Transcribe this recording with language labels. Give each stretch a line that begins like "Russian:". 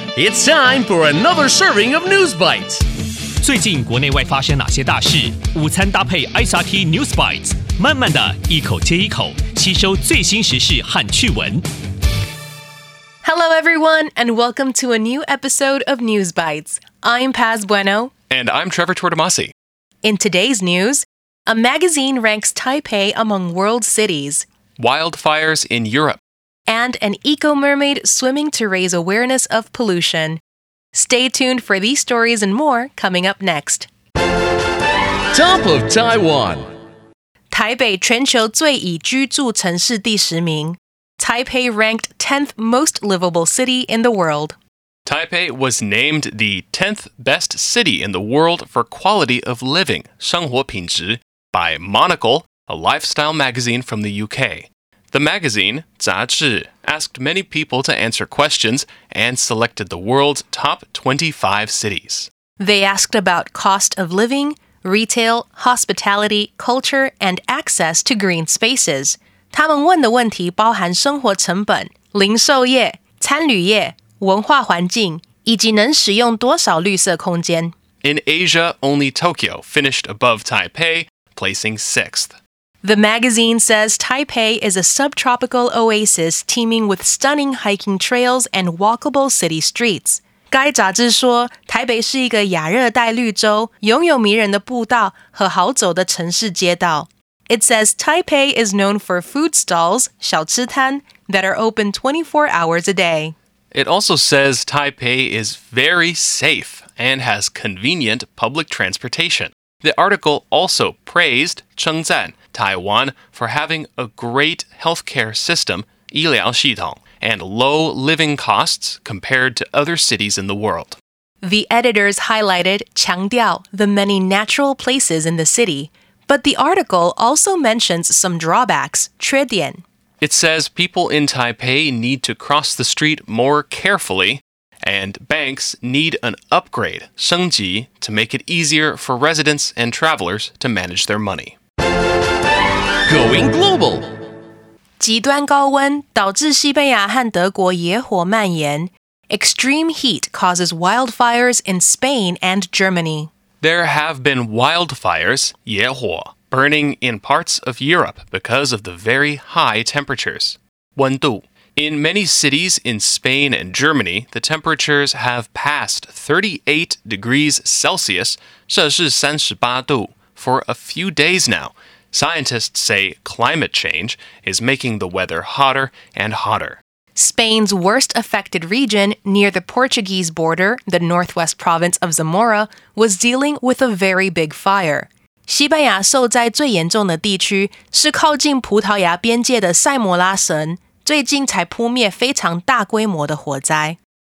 English: It's time for another serving of News Bites.
Chinese: 最近国内外发生哪些大事？午餐搭配 ISRT News Bites， 慢慢的一口接一口，吸收最新时事和趣闻。
English: Hello, everyone, and welcome to a new episode of News Bites. I'm Paz Bueno. And I'm Trevor Tortomasi. In today's news, a magazine ranks Taipei among world cities. Wildfires in Europe. And an eco-mermaid swimming to raise awareness of pollution. Stay tuned for these stories and more coming up next. Top of Taiwan.
Chinese: 台北全球最宜居住城市第十名。
English: Taipei ranked 10th most livable city in the world. Taipei was named the 10th best city in the world for quality of living,
Chinese: 生活品质,
English: by Monocle, a lifestyle magazine from the UK. The magazine,
Chinese: 雜誌,
English: asked many people to answer questions and selected the world's top 25 cities. They asked about cost of living, retail, hospitality, culture, and access to green spaces.
Chinese: 他們問的問題包含生活成本、零售業、餐旅業、文化環境、以及能使用多少綠色空間。
English: In Asia, only Tokyo finished above Taipei, placing 6th. The magazine says Taipei is a subtropical oasis teeming with stunning hiking trails and walkable city streets.
Chinese: 該雜誌說台北是一個亞熱帶綠洲擁有迷人的步道和好走的城市街道。
English: It says Taipei is known for food stalls,
Chinese: 小吃攤,
English: that are open 24 hours a day. It also says Taipei is very safe and has convenient public transportation. The article also praised
Chinese: 稱讚
English: Taiwan for having a great healthcare system,
Chinese: 醫療系統,
English: and low living costs compared to other cities in the world. The editors highlighted,
Chinese: 强调,
English: the many natural places in the city, but the article also mentions some drawbacks,
Chinese: 缺点.
English: It says people in Taipei need to cross the street more carefully, and banks need an upgrade,
Chinese: 升级,
English: to make it easier for residents and travelers to manage their money. Going global.
Chinese: 极端高温导致西班牙和德国野火蔓延。
English: Extreme heat causes wildfires in Spain and Germany. There have been wildfires,
Chinese: 野火,
English: burning in parts of Europe because of the very high temperatures.
Chinese: 温度.
English: In many cities in Spain and Germany, the temperatures have passed 38 degrees Celsius,
Chinese: 摄氏三十八度,
English: for a few days now. Scientists say climate change is making the weather hotter and hotter. Spain's worst affected region near the Portuguese border, the northwest province of Zamora, was dealing with a very big fire.
Chinese: 西班牙受灾最严重的地区是靠近葡萄牙边界的塞莫拉省，最近才扑灭非常大规模的火灾。